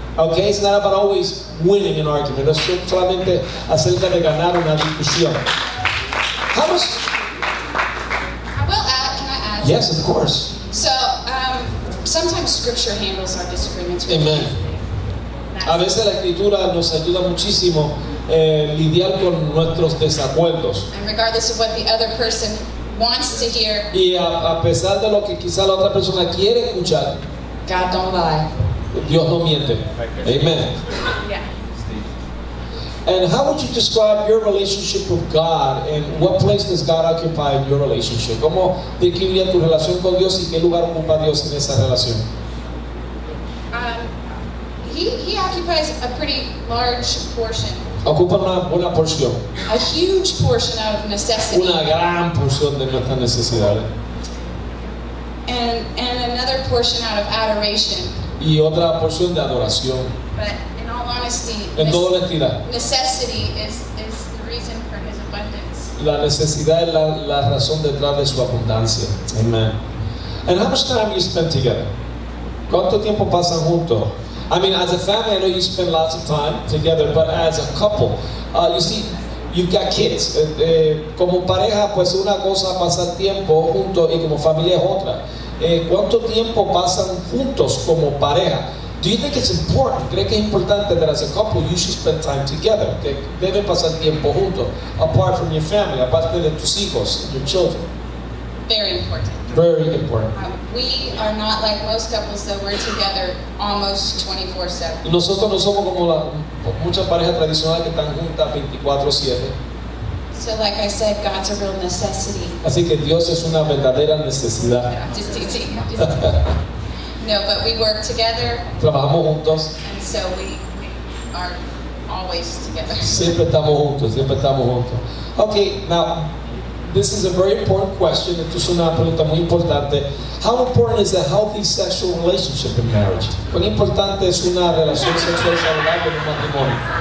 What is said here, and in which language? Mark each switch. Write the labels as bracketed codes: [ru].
[en] Okay, it's not about always winning an argument. [es] No es solamente acerca de ganar una discusión. [en] Can I ask? Yes, of course. So, sometimes scripture handles our disagreements with Amen. [es] A veces la escritura nos ayuda muchísimo lidiar con nuestros desacuerdos. [en] And regardless of what the other person wants to hear. [es] Y a pesar de lo que quizá la otra persona quiere escuchar. [en] God don't lie. [es] Dios no miente. Amen. [en] Yeah. And how would you describe your relationship with God, and what place does God occupy in your relationship? [es] ¿Cómo describiría tu relación con Dios y qué lugar ocupa Dios en esa relación? [en] He occupies a pretty large portion. [es] Ocupa una buena porción. [en] A huge portion of necessity. [es] Una gran porción de nuestras necesidades. [en] And another portion out of adoration. [es] Y otra porción de adoración. [en] But honesty, [es] en toda honestidad. [en] Necessity is the reason for his abundance. [es] La necesidad es la razón detrás de su abundancia. [en] Amen. And how much time you spend together? [es] ¿Cuánto tiempo pasan juntos? [en] I mean, as a family, I know you spend lots of time together, but as a couple, you see, you've got kids. [es] Como pareja, pues una cosa pasar tiempo juntos y como familia es otra. ¿Cuánto tiempo pasan juntos como pareja? [en] Do you think it's important? [es] ¿Crees que es importante [en] that as a couple you should spend time together? [es] Que debe pasar tiempo juntos, [en] apart from your family, [es] aparte de tus hijos, [en] your children. Very important. Very important. We are not like most couples that we're together almost 24/7. [es] Nosotros no somos como muchas parejas tradicionales que están juntas 24/7. [en] So like I said, God's a real necessity. [es] Así que Dios es una verdadera necesidad. [en] Yeah, just teasing. No, but we work together. [es] Trabajamos juntos. [en] And so we are always together. [es] Siempre estamos juntos. [en] Okay, now, this is a very important question. [es] Esto es una pregunta muy importante. [en] How important is a healthy sexual relationship in marriage? [es] ¿Cuán importante es una relación sexual saludable en un matrimonio?